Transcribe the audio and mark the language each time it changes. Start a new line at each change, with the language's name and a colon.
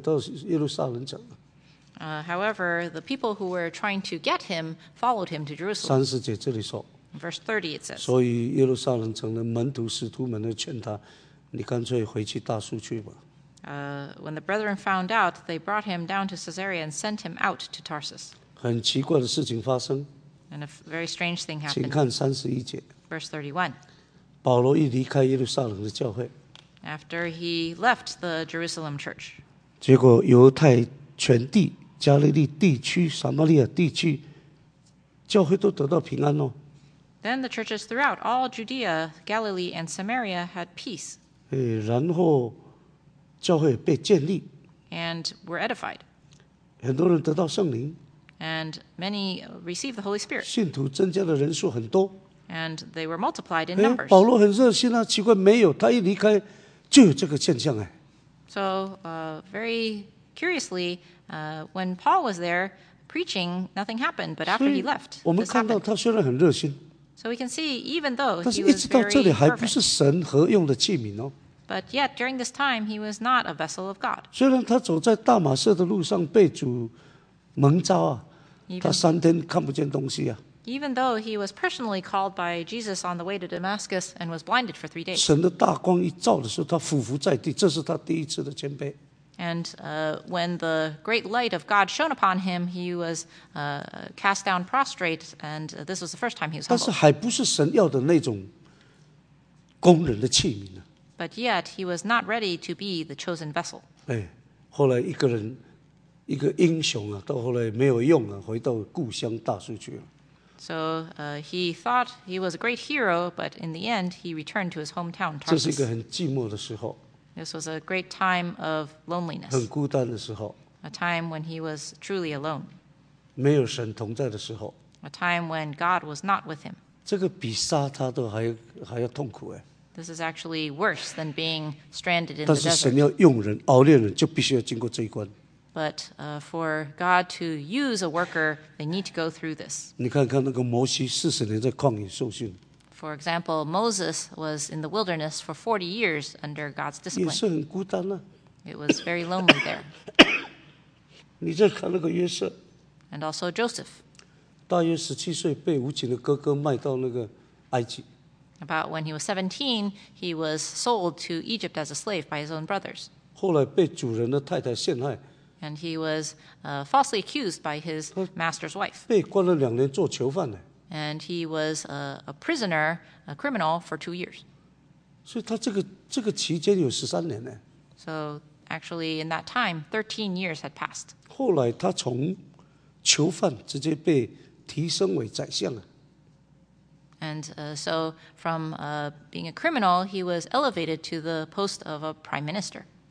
Chinese: 但是那个跟着来的迫害也跑到巴比伦，到耶路撒冷讲了。
English: However, the people who were trying to get him followed him to Jerusalem.
Chinese: 30节这里说。
English: Verse 30, it says.
Chinese: 所以耶路撒冷城的门徒使徒们劝他，你干脆回去大苏去吧。
English: When the brethren found out, they brought him down to Caesarea and sent him out to Tarsus.
Chinese: 很奇怪的事情发生。
English: And a very strange thing happened.
Chinese: 请看31节。
English: Verse 31.
Chinese: 保罗一离开耶路撒冷的教会。
English: After he left the Jerusalem church.
Chinese: 结果犹太全地、加利利地区、撒玛利亚地区，教会都得到平安哦。
English: Then the churches throughout all Judea, Galilee, and Samaria had peace.
Chinese: 然后教会被建立。
English: And were edified.
Chinese: 很多人得到圣灵。
English: And many received the Holy Spirit.
Chinese: 信徒增加的人数很多。
English: and they were multiplied in numbers.
Chinese: 保罗很热心啊，奇怪没有，他一离开就有这个现象哎。
English: So, very curiously, when Paul was there preaching, nothing happened, but after he left, this happened.
Chinese: 我们看到他虽然很热心。
English: So we can see, even though he was very fervent.
Chinese: 但是一直到这里还不是神合用的器皿哦。
English: But yet, during this time, he was not a vessel of God.
Chinese: 虽然他走在大马色的路上被主蒙召啊，他三天看不见东西啊。
English: Even though he was personally called by Jesus on the way to Damascus and was blinded for 3 days.
Chinese: 神的大光一照的时候，他俯伏在地，这是他第一次的谦卑。
English: And when the great light of God shone upon him, he was cast down prostrate, and this was the first time he was humbled.
Chinese: 但是还不是神要的那种工人的器皿啊。
English: But yet, he was not ready to be the chosen vessel.
Chinese: 哎，后来一个人，一个英雄啊，到后来没有用啊，回到故乡大树去了。
English: So he thought he was a great hero, but in the end, he returned to his hometown, Tarsus.
Chinese: 这是一个很寂寞的时候。
English: This was a great time of loneliness.
Chinese: 很孤单的时候。
English: A time when he was truly alone.
Chinese: 没有神同在的时候。
English: A time when God was not with him.
Chinese: 这个比杀他都还要痛苦哎。
English: This is actually worse than being stranded in the desert.
Chinese: 但是神要用人熬炼人，就必须要经过这一关。
English: But for God to use a worker, they need to go through this.
Chinese: 你看看那个摩西40年在旷野受训。
English: For example, Moses was in the wilderness for 40 years under God's discipline.
Chinese: 也是很孤单啊。
English: It was very lonely there.
Chinese: 你再看那个约瑟。
English: And also Joseph.
Chinese: 大约17岁被无情的哥哥卖到那个埃及。
English: About when he was 17, he was sold to Egypt as a slave by his own brothers.
Chinese: 后来被主人的太太陷害。
English: And he was falsely accused by his master's wife.
Chinese: 被关了两年做囚犯呢。
English: And he was a prisoner, a criminal, for 2 years.
Chinese: 所以他这个期间有13年呢。
English: So actually, in that time, 13 years had passed.
Chinese: 后来他从囚犯直接被提升为宰相了。
English: And so, from being a criminal, he was elevated to the post of a prime minister.